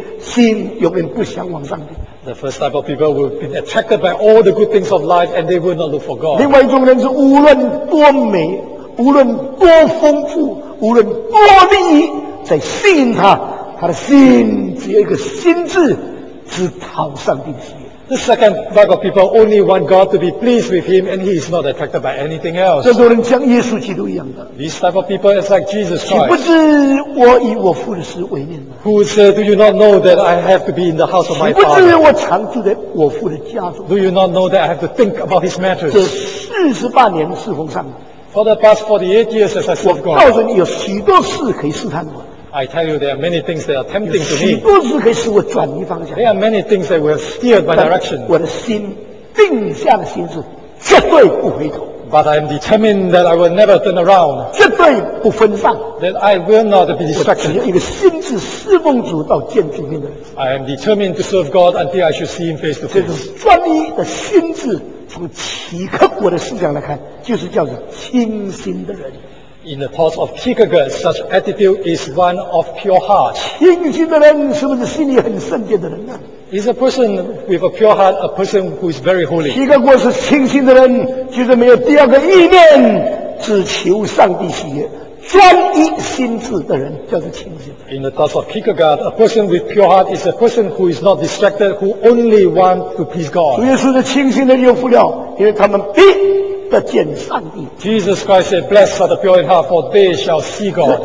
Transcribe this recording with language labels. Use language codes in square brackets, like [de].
[zh] 一种在地上过生活，被世界许多暂时的俘虏吸引，心永远不想往上去。 [en] The first type of people will be attracted by all the good things of life, and they will not look for God. [zh] 另外一种人是无论多美，无论多丰富，无论多利益，在吸引他，他的心只有一个心智，只讨上帝的喜悦。 [en] The second type of people only want God to be pleased with him, and he is not attracted by anything else. [zh] 这种人像耶稣基督一样的。 [en] These type of people is like Jesus Christ. [zh] 岂不知我以我父的事为念吗？ [en] Who said, do you not know that I have to be in the house of my father? [zh] 岂不知我常住在我父的家中？ [en] Do you not know that I have to think about his matters? [zh] 这48年侍奉上帝。 [en] For the past 48 years as I serve God. [zh] 我告诉你，有许多事可以试探我。 [en] I tell you, there are many things that are tempting to me. [zh] 许多事可以使我转移方向。 [en] There are many things that will steer my direction. [zh] 我的心定下的心智，绝对不回头。 [en] But I am determined that I will never turn around. [zh] 绝对不分散。 [en] That I will not be distracted. [zh] 我只有一个心智侍奉主到见主面的人。 [en] I am determined to serve God until I should see Him face to face. [zh] 这种专一的心智，从奇克我的思想来看，就是叫做清心的人。 [en] In the thoughts of Kierkegaard, such attitude is one of pure heart. [zh] 清心的人是不是心里很圣洁的人呢？ [en] Is a person with a pure heart a person who is very holy? [zh] 清心的人就是没有第二个意念，只求上帝喜悦，专一心智的人叫做清心。 [en] In the thoughts of Kierkegaard, a person with pure heart is a person who is not distracted, who only wants to please God. [zh] 主耶稣的清心的人有福了，因为他们必 [en] Jesus Christ said, "Blessed are the pure in heart, for they shall see God."